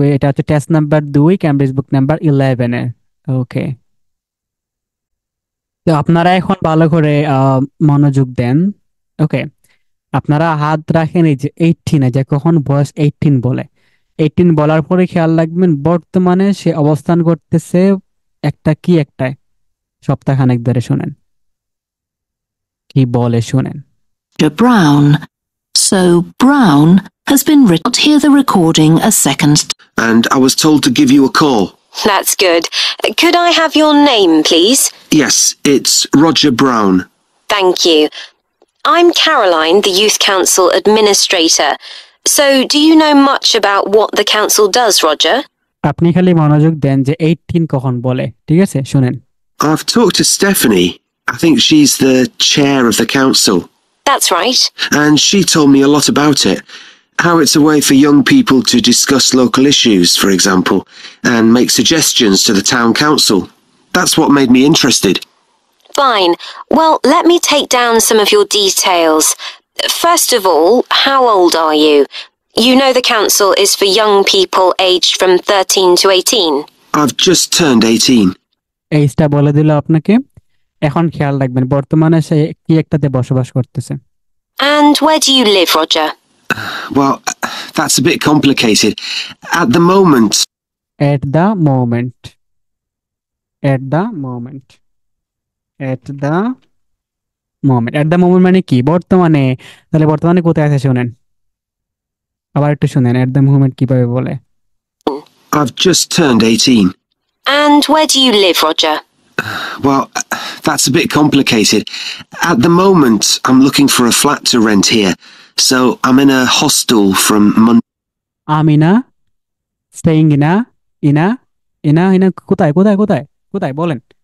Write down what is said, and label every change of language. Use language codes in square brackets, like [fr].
[bn] এটা হচ্ছে test number 2 Cambridge বুক number 11 এর। ওকে, তো আপনারা এখন ভালো করে মনোযোগ দেন। ওকে, আপনারা হাত রাখেন এই যে 18, যে কখন বয়স 18 বলে, 18 বলার পরে খেয়াল রাখবেন বর্তমানে সে অবস্থান করতেছে একটা কি একটায় সপ্তাহখানেক ধরে। শুনেন কি বলে, শুনেন। [en] Brown. So Brown has been written. Hear the recording a second. And I was told to give you a call. That's good. Could I have your name, please? Yes, it's Roger Brown. Thank you. I'm Caroline, the Youth Council Administrator. So do you know much about what the council does, Roger? [bn] আপনি খালি মনোযোগ দেন যে 18 কখন বলে, ঠিক আছে, শুনেন। [en] I've talked to Stephanie. I think she's the chair of the council. That's right. And she told me a lot about it. How it's a way for young people to discuss local issues, for example, and make suggestions to the town council. That's what made me interested. Fine. Well, let me take down some of your details. First of all, how old are you? You know the council is for young people aged from 13 to 18. I've just turned 18. [bn] এইটা বলে দিল আপনাকে। এখন খেয়াল রাখবেন বর্তমানে সে কি একটাতে বসবাস করতেছে। [en] And where do you live, Roger? Well, that's a bit complicated. At the moment. At the moment. At the moment. At the moment. At the moment [bn] মানে কি? বর্তমানে, তাহলে বর্তমানে কোথায় আছে শুনেন, আবার একটু শুনেন, [en] at the moment [bn] কিভাবে বলে? [en] I've just turned 18. And where do you live, Roger? Well, that's a bit complicated. At the moment, I'm looking for a flat to rent here. So I'm in a hostel from Monday. I'm in a, staying in a, [bn] কোথায় বলেন?